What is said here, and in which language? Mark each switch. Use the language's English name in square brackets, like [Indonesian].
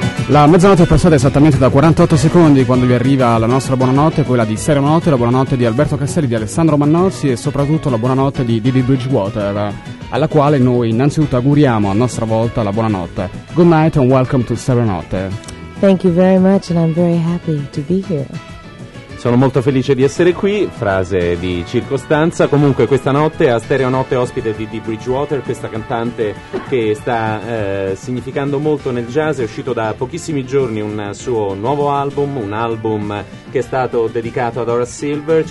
[Italian] La mezzanotte è passata esattamente da 48 secondi quando gli arriva la nostra buonanotte, quella di Serio Notte, la buonanotte di Alberto Castelli, di Alessandro Mannozzi e soprattutto la buonanotte di Didi Bridgewater, alla quale noi innanzitutto auguriamo a nostra volta la buonanotte. [English] Good night and welcome to Serio Notte. Thank you very much and I'm very happy to be here. [Italian] Sono molto felice di essere qui, frase di circostanza. Comunque questa notte a Stereo Notte ospite di Dee Bridgewater, questa cantante che sta significando molto nel jazz. È uscito da pochissimi giorni un suo nuovo album, un album che è stato dedicato ad Horace Silver.